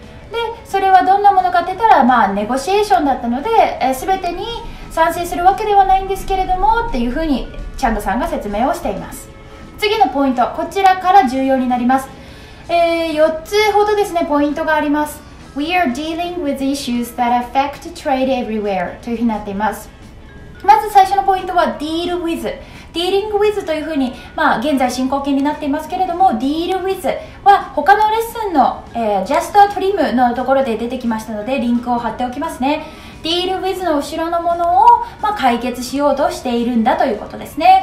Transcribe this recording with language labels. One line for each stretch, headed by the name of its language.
Japanese: でそれはどんなものかって言ったら、まあネゴシエーションだったので、全てに賛成するわけではないんですけれどもっていうふうにチャンドさんが説明をしています。次のポイント、こちらから重要になります。4つほどですね、ポイントがあります。
English: We are dealing with issues that affect trade everywhere
Japanese: というふうになっています。まず最初のポイントは deal with、 dealing with というふうに、まあ、現在進行形になっていますけれども、 deal with は他のレッスンの、just a trim のところで出てきましたのでリンクを貼っておきますね。 Deal with の後ろのものを、まあ、解決しようとしているんだということですね。